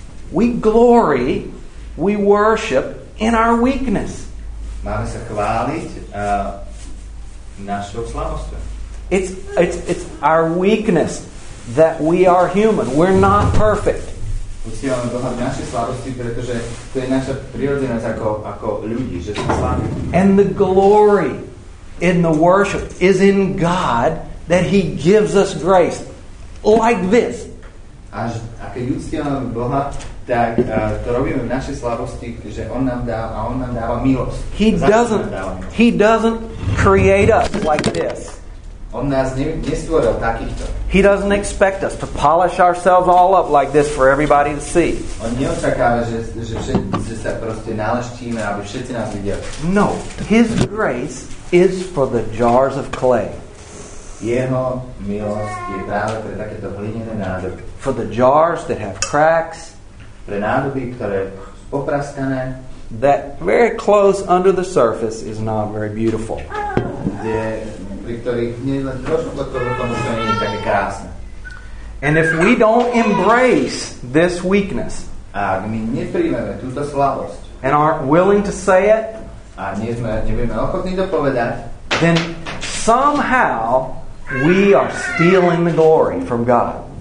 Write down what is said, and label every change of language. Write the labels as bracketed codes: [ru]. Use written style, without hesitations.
[en] We glory, we worship in our weakness. [sk] Máme sa chváliť našou slabosťou. [en] It's our weakness that we are human. We're not perfect. [sk] Uctievame Boha v našej slabosti, pretože to je naša prirodzenosť ako ľudí, že sme slabí. [en] And the glory in the worship is in God that he gives us grace like this. [sk] A keď uctievame Boha, tak to robíme v našej slabosti, že on nám dáva milosť. [en] He doesn't create us like this. [sk] On nás nestvoril takýchto. [en] He doesn't expect us to polish ourselves all up like this for everybody to see. [sk] On neočakáva, že sa proste naleštíme, aby všetci nás videli. [en] No, his grace is for the jars of clay. [sk] Jeho milosť je práve pre takéto hlinené nádoby. [en] For the jars that have cracks. [sk] Pre nádoby, ktoré sú popraskané. [en] That very close under the surface is not very beautiful. And if we don't embrace this weakness and aren't willing to say it, then somehow we are stealing the glory from God.